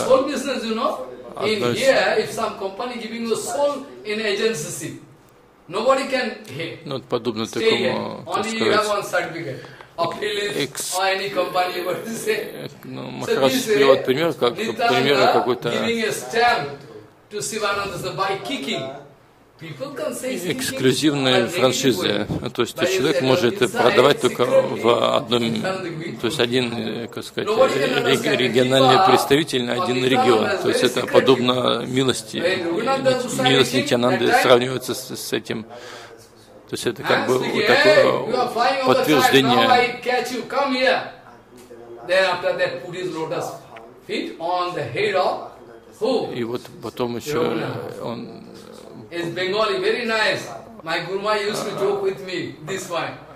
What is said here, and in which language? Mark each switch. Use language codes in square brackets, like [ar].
[en] soul business, you know. In here, if some company giving the soul in agency, nobody can [ru] Ну, подобно такому, так сказать. Ну, Махарадж приводит пример, как пример какой-то. [en] To Sivananda by kicking, people can say kicking. [ru] Эксклюзивные франшизы, то есть человек может продавать только в одном, то есть один, как сказать, региональный представитель на один регион, то есть это подобно милости. Милость Нитянанды сравнивается с этим. То есть это как бы такое подтверждение. И вот потом еще он... [en] Is Bengali very nice? My Guruma used to joke with me this one.